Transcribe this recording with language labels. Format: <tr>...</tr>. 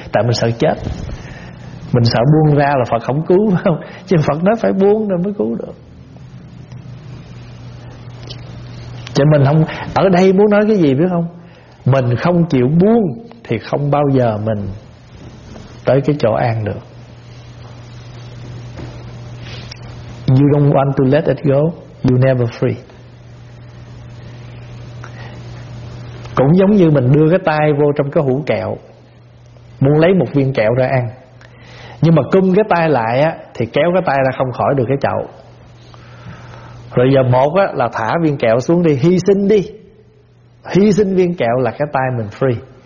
<vi>Tại mình sợ chết, mình sợ buông ra là Phật không cứu, phải không? Chứ Phật nói phải buông rồi mới cứu được. Chứ mình không, ở đây muốn nói cái gì biết không? Mình không chịu buông thì không bao giờ mình tới cái chỗ an được.</vi> <en>you don't want to let it go, you never free.</en> <vi>Cũng giống như mình đưa cái tay vô trong cái hũ kẹo, muốn lấy một viên kẹo ra ăn, nhưng mà cung cái tay lại á, thì kéo cái tay ra không khỏi được cái chậu. Rồi giờ một á, là thả viên kẹo xuống đi, hy sinh đi, hy sinh viên kẹo là cái tay mình free.</vi>